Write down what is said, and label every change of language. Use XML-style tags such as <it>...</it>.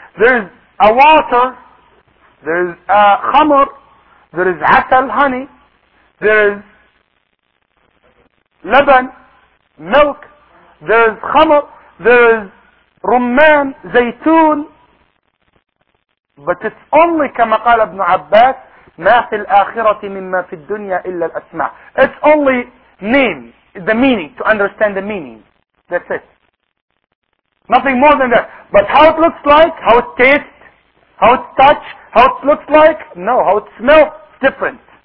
<en>There is a water, there is a khamr, there is atal, honey, there is laban, milk, there is khamr, there is rumman, zaytun. But it's only,</en> <ar>كما قال ابن عباس, ما في الآخرة مما في الدنيا إلا الأسماء.</ar> <en>It's only name, the meaning, to understand the meaning. That's it. Nothing more than that. But how it looks like, how it tastes, how it touch, how it looks like, no, how it smells. Different.</en>